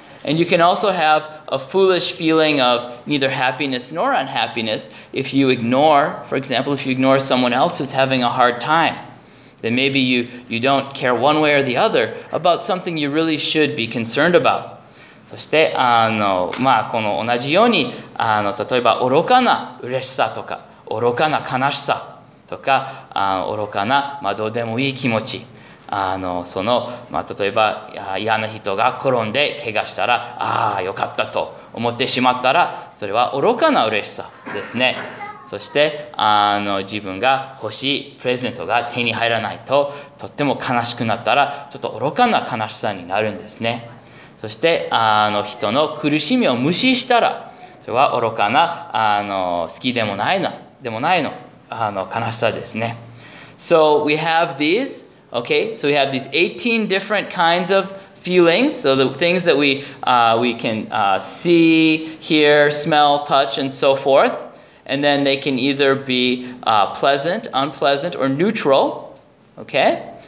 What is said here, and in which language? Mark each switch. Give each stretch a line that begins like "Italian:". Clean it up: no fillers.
English: And you can also have a foolish feeling of neither happiness nor unhappiness if you ignore, for example, if you ignore someone else who's having a hard time. Then maybe you don't care one way or the other about something you really should be concerned about.
Japanese: そして、この同じように、例えば愚かな嬉しさとか、愚かな悲しさ。とか愚かな、どうでもいい気持ち、例えば嫌な人が転んで怪我したら、ああよかったと思ってしまったら、それは愚かな嬉しさですね。そして自分が欲しいプレゼントが手に入らないと、とっても悲しくなったら、ちょっと愚かな悲しさになるんですね。そして人の苦しみを無視したら、それは愚かな好きでもないな、でもないの。悲しさですね。
English: So we have these, okay? So we have these 18 different kinds of feelings. So the things that we can see, hear, smell, touch, and so forth. And then they can either be pleasant, unpleasant, or neutral, okay?